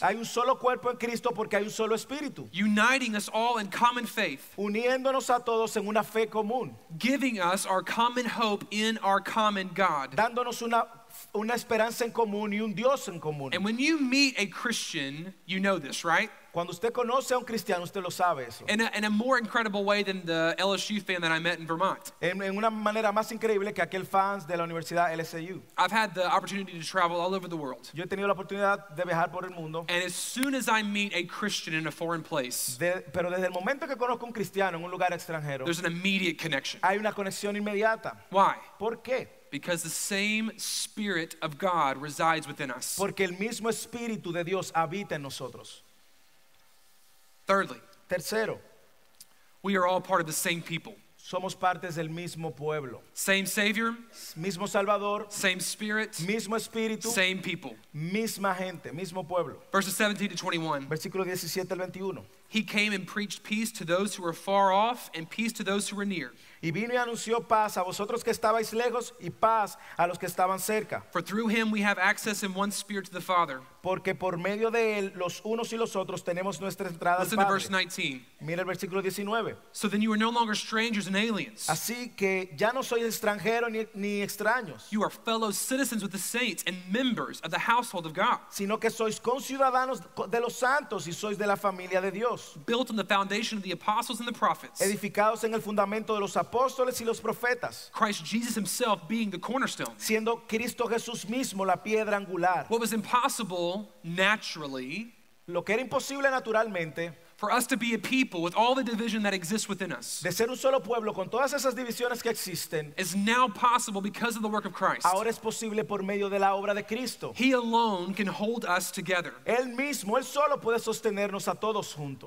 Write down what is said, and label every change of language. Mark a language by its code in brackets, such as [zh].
[es] Hay un solo cuerpo en Cristo porque hay un solo espíritu. [en] Uniting us all in common faith. [es] Uniéndonos a todos en una fe común. [en] Giving us our common hope in our common God. [es] Dándonos una una esperanza en común y un Dios en común. [en] And when you meet a Christian, you know this, right? [es] Cuando usted conoce a un cristiano, usted lo sabe eso. [en] In a more incredible way than the LSU fan that I met in Vermont. [es] En una manera más increíble que aquel fans de la universidad LSU. [en] I've had the opportunity to travel all over the world. [es] Yo he tenido la oportunidad de viajar por el mundo. [en] And as soon as I meet a Christian in a foreign place, [es] pero desde el momento que conozco a un cristiano en un lugar extranjero, [en] there's an immediate connection. [es] Hay una conexión inmediata. [en] Why? [es] ¿Por qué? [en] Because the same Spirit of God resides within us. [es] Porque el mismo Espíritu de Dios habita en nosotros. [en] Thirdly, [es] tercero, [en] we are all part of the same people. [es] Somos partes del mismo pueblo. [en] Same Savior, [es] mismo Salvador. [en] Same Spirit, [es] mismo Espíritu. [en] Same people, [es] misma gente, mismo pueblo. [en] Verses 17 to 21. [es] Versículo 17 al 21. [en] He came and preached peace to those who were far off and peace to those who were near. [es] Y vino y anunció paz a vosotros que estabais lejos y paz a los que estaban cerca. [en] For through him we have access in one spirit to the Father. [es] Porque por medio de él, los unos y los otros, tenemos nuestra entrada al Padre. [en] Listen to verse 19. [es] Mira el versículo 19. [en] So then you are no longer strangers and aliens. [es] Así que ya no sois extranjeros ni extraños. [en] You are fellow citizens with the saints and members of the household of God. [es] Sino que sois conciudadanos de los santos y sois de la familia de Dios. [en] Built on the foundation of the apostles and the prophets. [es] Edificados en el fundamento de los apóstoles y los profetas. [en] Christ Jesus himself being the cornerstone. [es] Siendo Cristo Jesús mismo la piedra angular. [en] What was impossible naturally, [es] lo que era imposible naturalmente, [en] for us to be a people with all the division that exists within us, [es] de ser un solo pueblo con todas esas divisiones que existen, [en] is now possible because of the work of Christ. [es] Ahora es posible por medio de la obra de Cristo. [en] He alone can hold us together. [es] Él mismo, él solo puede sostenernos a todos juntos.